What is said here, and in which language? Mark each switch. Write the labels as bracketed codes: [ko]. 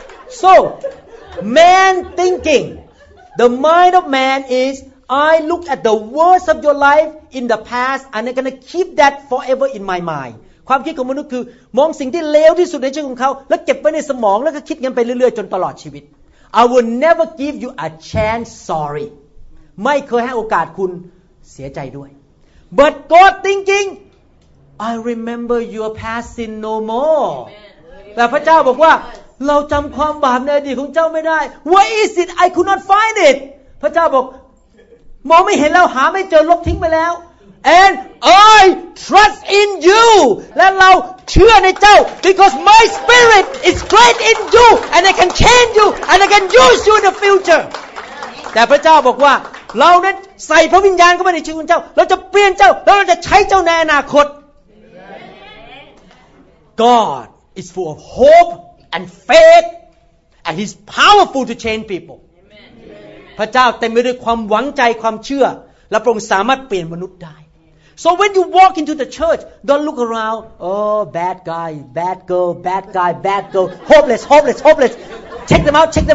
[en] So, man thinking, the mind of man is, I look at the worst of your life in the past, and I'm going to keep that forever in my mind. [th] ความคิดของมนุษย์คือมองสิ่งที่เลวที่สุดในชีวิตของเขาแล้วเก็บไว้ในสมองแล้วก็คิดงั้นไปเรื่อยๆจนตลอดชีวิต [en] I will never give you a chance, sorry. [th] ไม่เคยให้โอกาสคุณเสียใจด้วย [en] But God thinking,I remember your past sin no more. Amen. [th] แต่พระเจ้าบอกว่าเราจำความบาปในอดีตของเจ้าไม่ได้ [en] What is it? I could not find it. [th] พระเจ้าบอกมองไม่เห็นแล้วหาไม่เจอลบทิ้งไปแล้ว [en] And I trust in you. [th] และเราเชื่อในเจ้า [en] because my spirit is great in you and I can change you and I can use you in the future. Amen. [th] แต่พระเจ้าบอกว่าเราเนี่ยใส่พระวิญญาณเข้าไปในชีวิตเจ้าเราจะเปลี่ยนเจ้าแล้วเราจะใช้เจ้าในอนาคต [en] God is full of hope and faith and he's powerful to change people [th] พระเจ้าเต็มไปด้วยความหวังใจความเชื่อและพระองค์สามารถเปลี่ยนมนุษย์ได้ [en] So when you walk into the church don't look around oh bad guy bad girl hopeless check them out